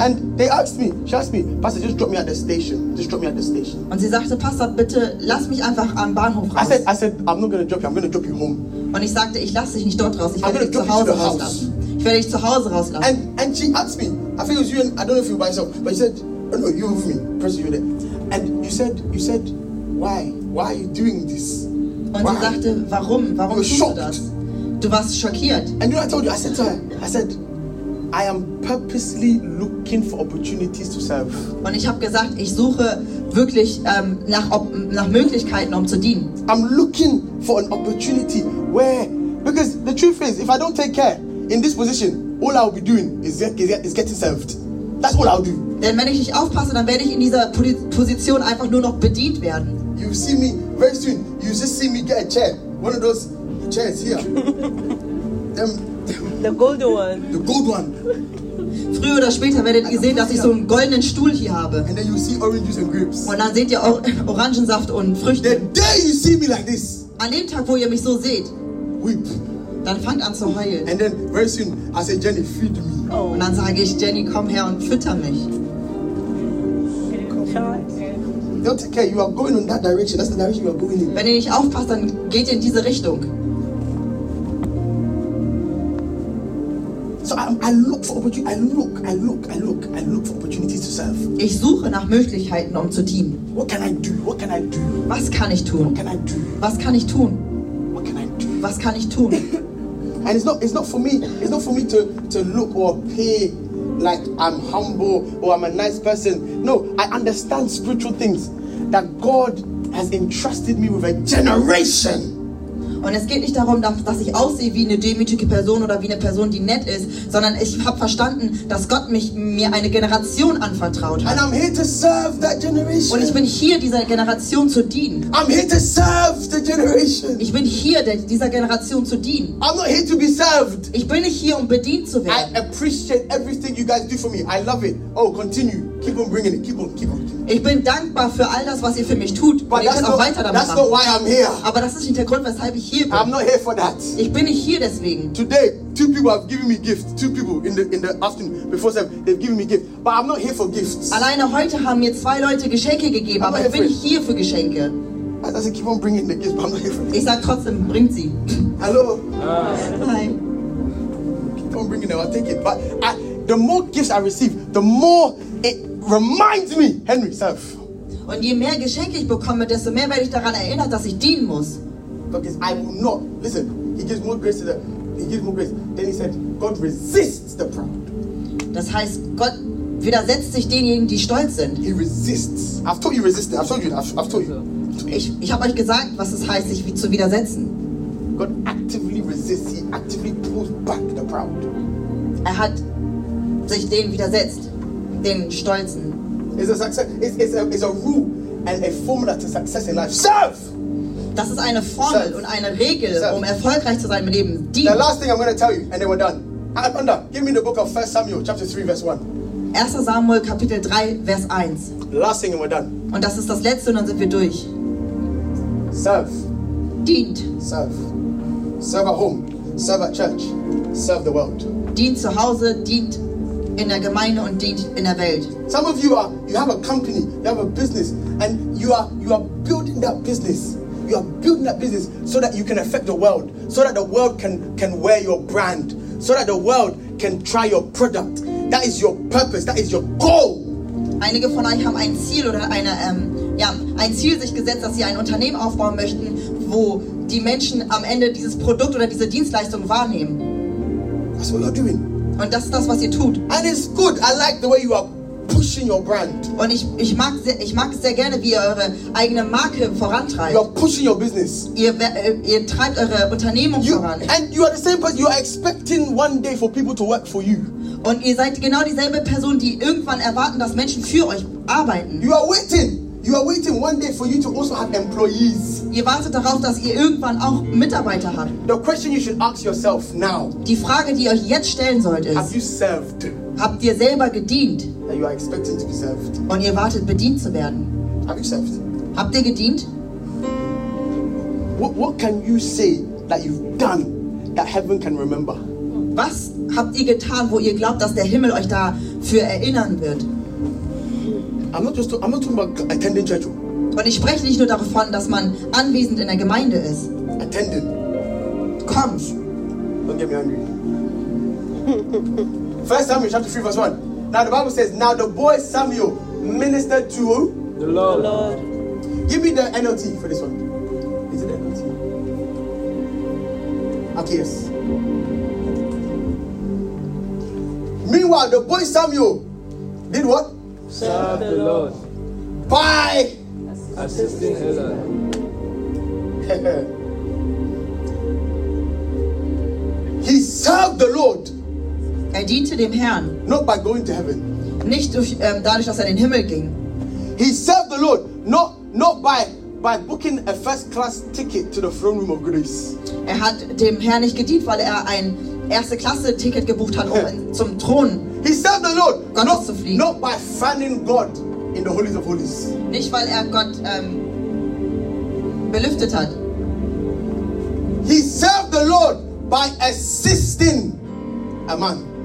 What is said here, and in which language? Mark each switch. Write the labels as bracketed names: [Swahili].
[English] And they asked me, she asked me, Pastor, just drop me at the station. Just drop me at the station. [German] Und sie sagte, Pastor, bitte lass mich einfach am Bahnhof raus. [English] I said, I'm not gonna drop you, I'm gonna drop you home. [German] Und ich sagte, ich lasse dich nicht dort raus, ich werde dich zu Hause rauslassen. Ich werde dich zu Hause rauslassen. [English] And she asked me, I think it was you, and I don't know if you were by yourself, but she said, oh no, you with me, press you there. And you said, why are you doing this? [German] Und sie sagte, warum tust du das? Du warst schockiert. [English] And you know, I told you, I said to her, I said, I am purposely looking for opportunities to serve. [German] Und ich habe gesagt, ich suche wirklich nach Möglichkeiten, um zu dienen. [English] I'm looking for an opportunity where, because the truth is, if I don't take care in this position, all I'll be doing is getting served. That's all I'll do. [German] Denn wenn ich nicht aufpasse, dann werde ich in dieser Position einfach nur noch bedient werden. [English] You see me very soon. You just see me get a chair, one of those chairs here. The golden one. [German] Früher oder später werdet ihr sehen, dass ich so einen goldenen Stuhl hier habe. [English] And then you see orange juice and grapes. [German] Und dann seht ihr auch Orangensaft und Früchte. [English] The day you see me like this. [German] An dem Tag, wo ihr mich so seht. [English] Weep. [German] Dann fangt an zu heulen. [English] And then very soon I say, Jenny, feed me. [German] Oh. Und dann sage ich, Jenny, komm her und fütter mich. [English] Don't take care. You are going in that direction. That's the direction you are going in. [German] Wenn ihr nicht aufpasst, dann geht ihr in diese Richtung. [English] So I look for opportunities to serve. [German] Ich suche nach Möglichkeiten, um zu dienen. [English] What can I do? What can I do? [German] Was kann ich tun? [English] What can I do? [German] Was kann ich tun? [English] What can I do? [German] Was kann ich tun? [English] And it's not for me to look or appear like I'm humble or I'm a nice person. No, I understand spiritual things that God has entrusted me with a generation. [German] Und es geht nicht darum, dass ich aussehe wie eine demütige Person oder wie eine Person, die nett ist, sondern ich habe verstanden, dass Gott mir eine Generation anvertraut hat. [English] And I'm here to serve that generation. [German] Und ich bin hier, dieser Generation zu dienen. [English] I'm here to serve the generation. [German] Ich bin hier, dieser Generation zu dienen. [English] I'm not here to be served. [German] Ich bin nicht hier, um bedient zu werden. [English] I appreciate everything you guys do for me. I love it. Oh, continue. Keep on bringing it. Keep on. [German] Ich bin dankbar für all das, was ihr für mich tut. [English] But [German] und ihr könnt auch weiter damit [English] that's [German] machen. [English] Not why I'm here. [German] Aber das ist nicht der Grund, weshalb ich hier bin. [English] I'm not here for that. [German] Ich bin nicht hier deswegen. [English] Today, two people have given me gifts. Two people in the afternoon before 7, they've given me gifts. But I'm not here for gifts. [German] Alleine heute haben mir zwei Leute Geschenke gegeben, aber ich bin nicht hier für Geschenke. [English] I said, keep on bringing the gifts, but I'm not here for that. [German] Ich sag trotzdem, bringt sie. Hallo. [English] Hi. Keep on bringing them, I'll take it. But the more gifts I receive, the more it reminds me, Henry, serve. [German] Und je mehr Geschenke ich bekomme, desto mehr werde ich daran erinnert, dass ich dienen muss. [English] Because I will not listen. He gives more grace. Then he said, God resists the proud. [German] Das heißt, Gott widersetzt sich denjenigen, die stolz sind. [English] He resists. I've told you resisting. I've told you. [German] Ich habe euch gesagt, was es heißt, sich zu widersetzen. [English] God actively resists. He actively pulls back the proud. [German] Er hat sich denen widersetzt. Den Stolzen. [English] It's a rule and a formula to success in life. Serve! [German] Das ist eine Formel [English] Serve. [German] Und eine Regel, Serve. Um erfolgreich zu sein im Leben. Dien. [English] The last thing I'm going to tell you, and then we're done. Amanda, give me the book of 1 Samuel, chapter 3, verse 1. [German] 1 Samuel, Kapitel 3, Vers 1. [English] Last thing and we're done. [German] Und das ist das Letzte und dann sind wir durch. [English] Serve. [German] Dient. [English] Serve. Serve at home. Serve at church. Serve the world. [German] Dient zu Hause, dient in der Gemeinde und dient in der Welt. [English] Some of you have a company, you have a business, and you are building that business. You are building that business so that you can affect the world, so that the world can wear your brand, so that the world can try your product. That is your purpose. That is your goal. [German] Einige von euch haben ein Ziel oder ein Ziel sich gesetzt, dass sie ein Unternehmen aufbauen möchten, wo die Menschen am Ende dieses Produkt oder diese Dienstleistung wahrnehmen. [English] That's what you're doing. [German] Und das ist das, was ihr tut. [English] And it's good. I like the way you are pushing your brand. [German] Und ich mag es sehr gerne, wie ihr eure eigene Marke vorantreibt. [English] You are pushing your business. [German] Ihr treibt eure Unternehmung voran. [English] And you are the same person. You are expecting one day for people to work for you. [German] Und ihr seid genau dieselbe Person, die irgendwann erwarten, dass Menschen für euch arbeiten. [English] You are waiting. You are waiting one day for you to also have employees. [German] Ihr wartet darauf, dass ihr irgendwann auch Mitarbeiter habt. [English] The question you should ask yourself now. [German] Die Frage, die ihr euch jetzt stellen sollt, ist: [English] Have you served? [German] Habt ihr selber gedient? [English] And you are expecting to be served. [German] Und ihr wartet, bedient zu werden. [English] Have you served? [German] Habt ihr gedient? [English] What can you say that you've done that heaven can remember? [German] Was habt ihr getan, wo ihr glaubt, dass der Himmel euch dafür erinnern wird? [English] I'm not talking about attending church. [German] Und ich spreche nicht nur davon, dass man anwesend in der Gemeinde ist. [English] Attending. Comes. Don't get me angry. 1 Samuel chapter 3 verse 1. Now the Bible says, now the boy Samuel ministered to who? The Lord. Give me the NLT for this one. Is it NLT? Okay, yes. Meanwhile, the boy Samuel did what? Served the Lord. By assisting Eli. He served the Lord. [German] Er diente dem Herrn. [English] Not by going to heaven. [German] Nicht durch, dadurch, dass er in den Himmel ging. [English] He served the Lord. Not by booking a first class ticket to the throne room of grace. [German] Er hat dem Herrn nicht gedient, weil er ein erste Klasse Ticket gebucht hat, um zum Thron. [English] He served the Lord. [German] Gott not, zu fliegen. [English] Not by finding God in the holies of holies. [German] Nicht weil er Gott belüftet hat. [English] He served the Lord by assisting a man.